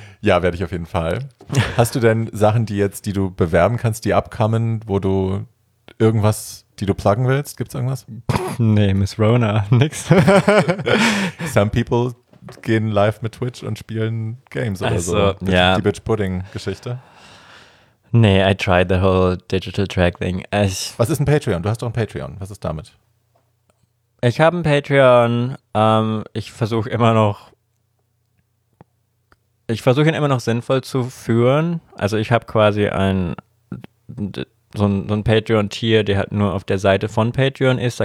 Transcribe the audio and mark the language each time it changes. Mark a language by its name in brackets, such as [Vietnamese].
[German] Ja, werde ich auf jeden Fall. Hast du denn Sachen, die du bewerben kannst, die upcoming, wo du irgendwas, die du pluggen willst? Gibt's irgendwas? Nee, Miss Rona, nix. [English] Some people [German] gehen live mit Twitch und spielen Games oder also, so. [English] Yeah. [German] Die Bitch-Pudding-Geschichte. [English] Nee, I tried the whole digital track thing. [German] Was ist ein Patreon? Du hast doch ein Patreon. Was ist damit? Ich habe ein Patreon. Ich versuche ihn immer noch sinnvoll zu führen. Also ich habe quasi so ein Patreon-Tier, der halt nur auf der Seite von Patreon ist.